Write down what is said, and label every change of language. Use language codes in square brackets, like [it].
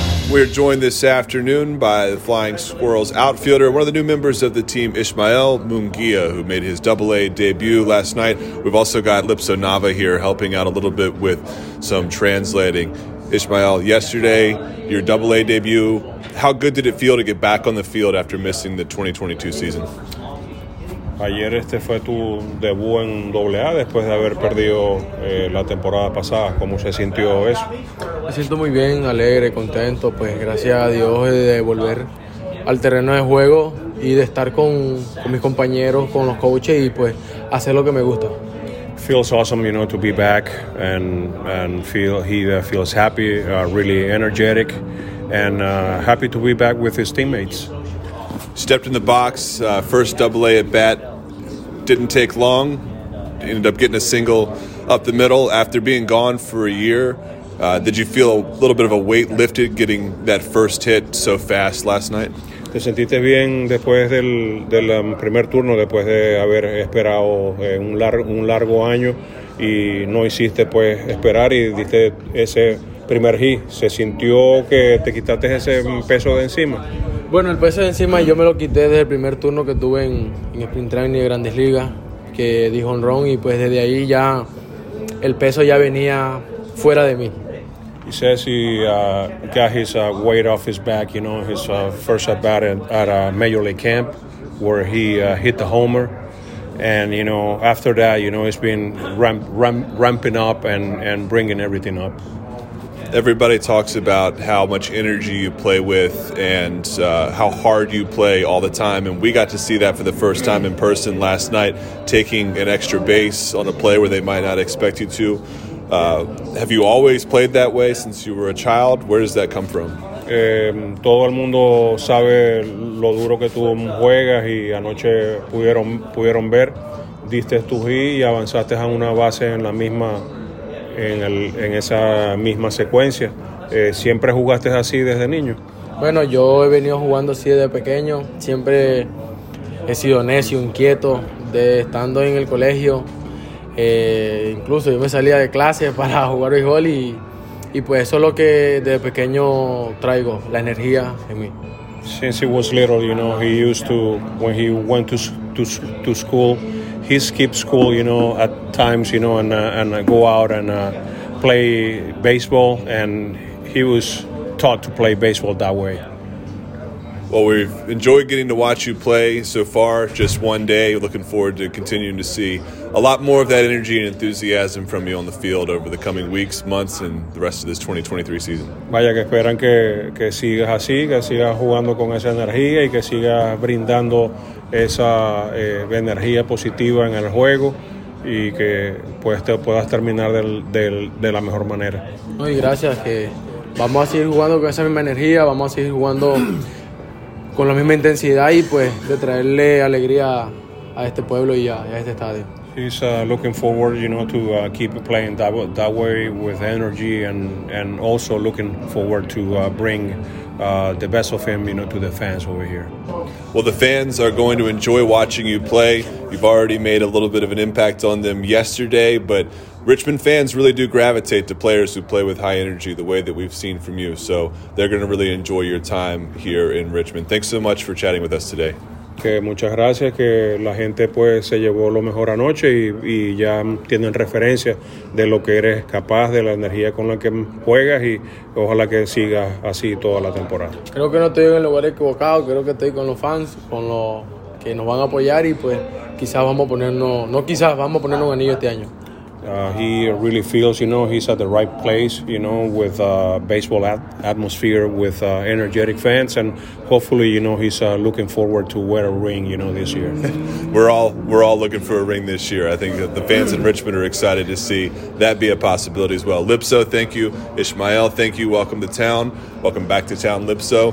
[en] We're joined this afternoon by the Flying Squirrels outfielder, one of the new members of the team, Ismael Munguia, who made his AA debut last night. We've also got Lipso Nava here helping out a little bit with some translating. Ismael, yesterday, your AA debut, how good did it feel to get back on the field after missing the 2022 season? [es] Ayer este fue tu debut en AA después de haber perdido la temporada pasada. ¿Cómo se sintió eso? Me siento muy bien, alegre, contento, pues gracias a Dios de volver al terreno de juego y de estar con mis compañeros, con los coaches y pues hacer lo que me gusta. [en] Feels awesome, you know, to be back and feel feels happy, really energetic and happy to be back with his teammates. Stepped in the box, first AA at bat, didn't take long, ended up getting a single up the middle. After being gone for a year, did you feel a little bit of a weight lifted getting that first hit so fast last night? [es] ¿Te sentiste bien después del primer turno, después de haber esperado un largo año y no hiciste pues esperar y diste ese primer hit? ¿Se sintió que te quitaste ese peso de encima? Bueno, el peso de encima yo me lo quité desde el primer turno que tuve en Sprint Training de Grandes Ligas, que di home run, y pues desde ahí ya el peso ya venía fuera de mí. [en] He says he got his weight off his back, you know, his first at bat at a Major League camp where he hit the homer. And, you know, after that, you know, it's been ramping up and bringing everything up. Everybody talks about how much energy you play with and how hard you play all the time. And we got to see that for the first time in person last night, taking an extra base on a play where they might not expect you to. Have you always played that way since you were a child? Where does that come from? [es] Todo el mundo sabe lo duro que tú juegas y anoche pudieron ver. Diste tu hit y avanzaste a una base en la misma... En esa misma secuencia. ¿Siempre jugaste así desde niño? Bueno, yo he venido jugando así desde pequeño. Siempre he sido necio, inquieto, estando en el colegio. Incluso yo me salía de clase para jugar béisbol y pues eso es lo que desde pequeño traigo, la energía en mí. [en] Since he was little, you know, he used to, when he went to school, he skipped school, you know, at times, you know, and go out and play baseball. And he was taught to play baseball that way. Well, we've enjoyed getting to watch you play so far, just one day. Looking forward to continuing to see a lot more of that energy and enthusiasm from you on the field over the coming weeks, months, and the rest of this 2023 season. [es] Vaya, que esperan que sigas así, que sigas jugando con esa energía y que sigas brindando esa energía positiva en el juego y que pues te puedas terminar de la mejor manera. No, y gracias, que vamos a seguir jugando con esa misma energía, vamos a seguir jugando con la misma intensidad y pues de traerle alegría a este pueblo y a este estadio. [en] He's looking forward, you know, to keep playing that way with energy and also looking forward to bring the best of him, you know, to the fans over here. Well, the fans are going to enjoy watching you play. You've already made a little bit of an impact on them yesterday, but Richmond fans really do gravitate to players who play with high energy the way that we've seen from you. So they're going to really enjoy your time here in Richmond. Thanks so much for chatting with us today. [es] Que muchas gracias, que la gente pues se llevó lo mejor anoche y ya tienen referencia de lo que eres capaz, de la energía con la que juegas y ojalá que sigas así toda la temporada. Creo que no estoy en el lugar equivocado, creo que estoy con los fans, con los que nos van a apoyar y pues quizás vamos a ponernos, no quizás, vamos a ponernos un anillo este año. [en] He really feels, you know, he's at the right place, you know, with baseball atmosphere, with energetic fans, and hopefully, you know, he's looking forward to wear a ring, you know, this year. We're all looking for a ring this year. I think that the fans in Richmond are excited to see that be a possibility as well. Lipso, thank you. Ismael, thank you. Welcome to town. Welcome back to town, Lipso.